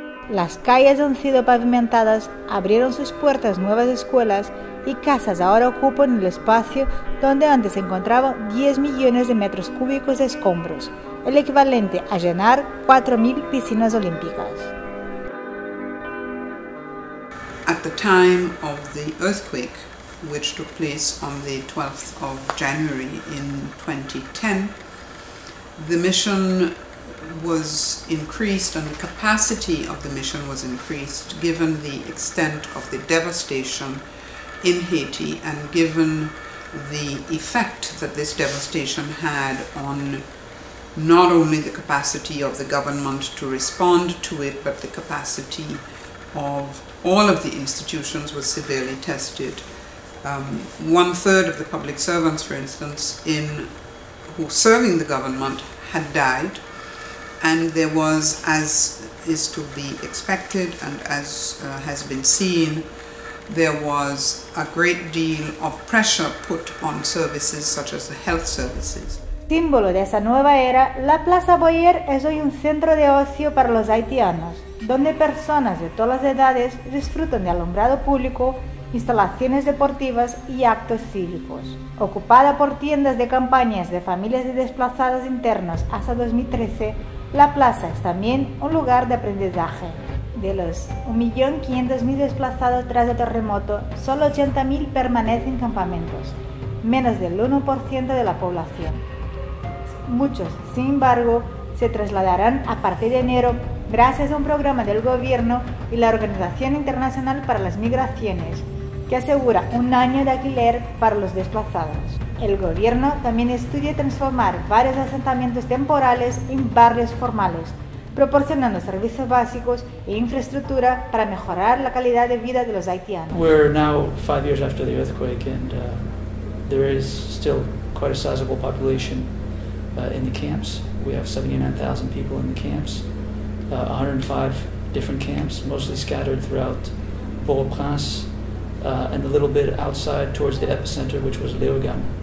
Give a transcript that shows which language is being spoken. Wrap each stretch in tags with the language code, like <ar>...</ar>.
<es>Las calles han sido pavimentadas, abrieron sus puertas nuevas escuelas y casas ahora ocupan el espacio donde antes se encontraban 10 millones de metros cúbicos de escombros, el equivalente a llenar 4.000 piscinas olímpicas.</es> <en>At the time of the earthquake, which took place on the 12th of January in 2010, the mission was increased and the capacity of the mission was increased given the extent of the devastation in Haiti and given the effect that this devastation had on not only the capacity of the government to respond to it, but the capacity of all of the institutions was severely tested. One third of the public servants, for instance, who were serving the government had died, and there was, as is to be expected and as has been seen, there was a great deal of pressure put on services such as the health services.</en> <es>Símbolo de esa nueva era, la Plaza Boyer es hoy un centro de ocio para los haitianos, donde personas de todas las edades disfrutan de alumbrado público, instalaciones deportivas y actos cívicos. Ocupada por tiendas de campañas de familias de desplazados internos hasta 2013, la plaza es también un lugar de aprendizaje. De los 1.500.000 desplazados tras el terremoto, solo 80.000 permanecen en campamentos, menos del 1% de la población. Muchos, sin embargo, se trasladarán a partir de enero gracias a un programa del gobierno y la Organización Internacional para las Migraciones, que asegura un año de alquiler para los desplazados. El gobierno también estudia transformar varios asentamientos temporales en barrios formales, proporcionando servicios básicos e infraestructura para mejorar la calidad de vida de los haitianos.</es> <en>We're now 5 years after the earthquake, and there is still quite a sizable population in the camps. We have 79,000 people in the camps, 105 different camps, mostly scattered throughout Port-au-Prince, and a little bit outside towards the epicenter, which was Léogâne.</en>